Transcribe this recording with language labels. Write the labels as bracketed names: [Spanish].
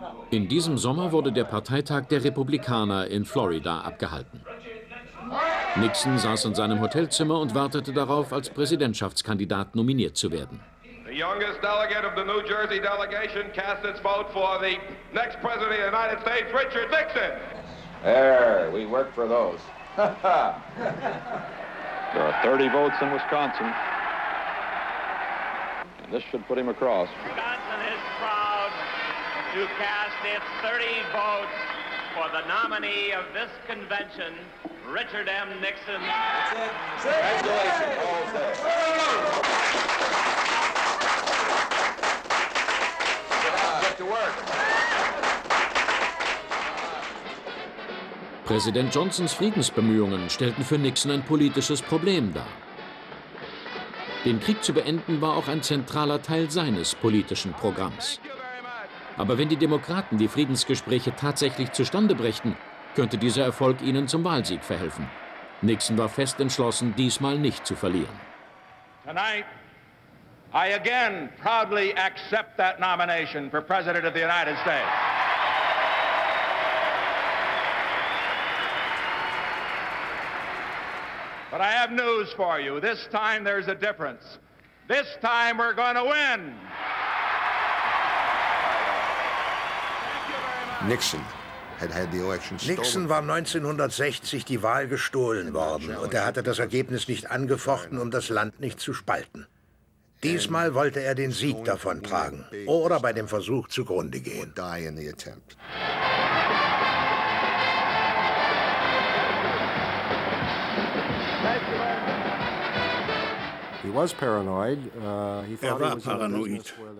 [German] In diesem Sommer wurde der Parteitag der Republikaner in Florida abgehalten. Nixon saß in seinem Hotelzimmer und wartete darauf, als Präsidentschaftskandidat nominiert zu werden. [English] The youngest delegate of the New Jersey delegation cast its vote for the next president of the United States, Richard Nixon. There, we work for those. There are 30 votes in Wisconsin. And this should put him across. Wisconsin is proud to cast its 30 votes for the nominee of this convention, Richard M. Nixon. Congratulations. [German] Präsident Johnsons Friedensbemühungen stellten für Nixon ein politisches Problem dar. Den Krieg zu beenden war auch ein zentraler Teil seines politischen Programms. Aber wenn die Demokraten die Friedensgespräche tatsächlich zustande brächten, könnte dieser Erfolg ihnen zum Wahlsieg verhelfen. Nixon war fest entschlossen, diesmal nicht zu verlieren. [English] Tonight. I again proudly accept that nomination for President of the United States. But I have news for you. This time there's a difference. This time we're going to win. Nixon had had the election stolen. [German] Nixon war 1960 die Wahl gestohlen worden und er hatte das Ergebnis nicht angefochten, um das Land nicht zu spalten. Diesmal wollte er den Sieg davontragen oder bei dem Versuch zugrunde gehen. Er war paranoid.